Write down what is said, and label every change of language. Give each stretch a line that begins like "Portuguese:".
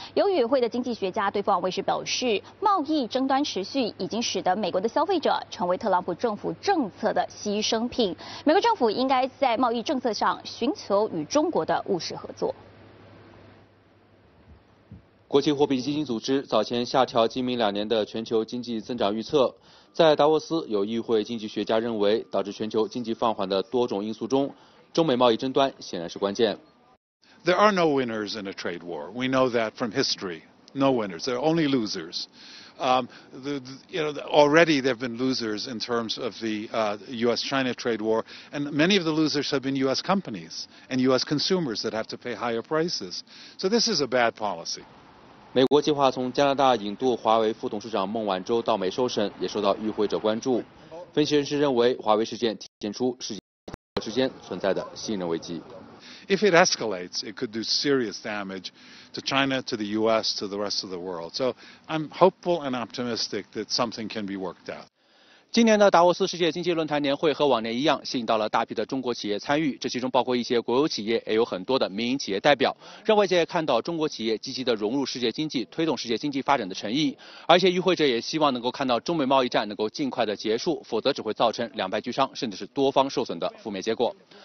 Chinese: 有与会的经济学家对凤凰卫视表示，贸易争端持续已经使得美国的消费者成为特朗普政府政策的牺牲品，美国政府应该在贸易政策上寻求与中国的务实合作。国际货币基金组织早前下调今明两年的全球经济增长预测。在达沃斯，有议会经济学家认为，导致全球经济放缓的多种因素中，中美贸易争端显然是关键。
English: There are no winners in a trade war. We know that from history. No winners. There are only losers. Already there have been losers in terms of the U.S.-China trade war, and many of the losers have been U.S. companies and U.S. consumers that have to pay higher prices. So this is a bad policy.
Chinese: 美国计划从加拿大引渡华为副董事长孟晚舟到美受审，也受到与会者关注。分析人士认为，华为事件体现出世界之间存在的信任危机。
English: If it escalates, it could do serious damage to China, to the U.S., to the rest of the world. So I'm hopeful and optimistic that something can be worked out.
Chinese: 今年的达沃斯世界经济论坛年会和往年一样，吸引到了大批的中国企业参与，这其中包括一些国有企业，也有很多的民营企业代表，让外界看到中国企业积极的融入世界经济、推动世界经济发展的诚意。而且与会者也希望能够看到中美贸易战能够尽快的结束，否则只会造成两败俱伤，甚至是多方受损的负面结果。